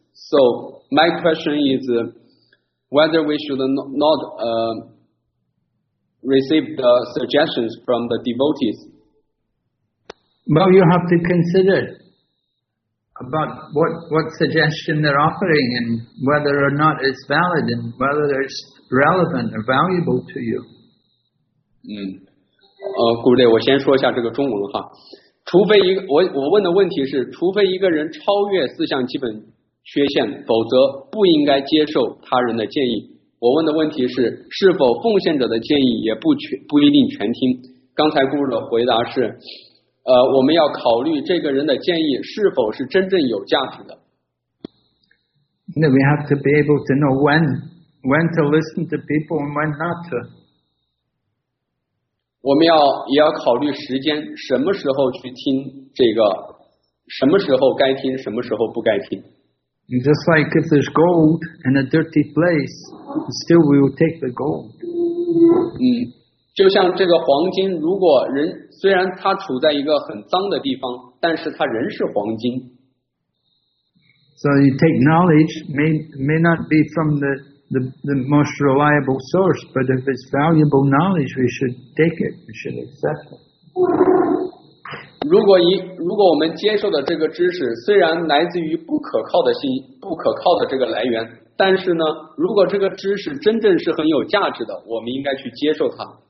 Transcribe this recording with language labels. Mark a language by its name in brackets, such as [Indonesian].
[English] So my question is whether we should not receive the suggestions from the devotees. Well, you have to consider about what suggestion they're offering and whether or not it's valid and whether it's relevant or valuable to you. [Chinese] Guru, 我先说一下这个中文哈。除非一个我问的问题是，除非一个人超越四项基本缺陷，否则不应该接受他人的建议。我问的问题是，是否奉献者的建议也不一定全听。刚才顾主的回答是，我们要考虑这个人的建议是否是真正有价值的。 [English] Then we have to be able to know when to listen to people and when not to. [Chinese] 我们要也要考虑时间，什么时候去听这个，什么时候该听，什么时候不该听。 [English] Just like if there's gold in a dirty place, still we will take the gold. [Chinese] 就像这个黄金，如果人虽然它处在一个很脏的地方，但是它仍是黄金。 [English] So you take knowledge, may not be from the most reliable source, but if it's valuable knowledge, we should take it, we should accept it. [Chinese] 如果我们接受的这个知识虽然来自于不可靠的信息，不可靠的这个来源，但是呢，如果这个知识真正是很有价值的，我们应该去接受它。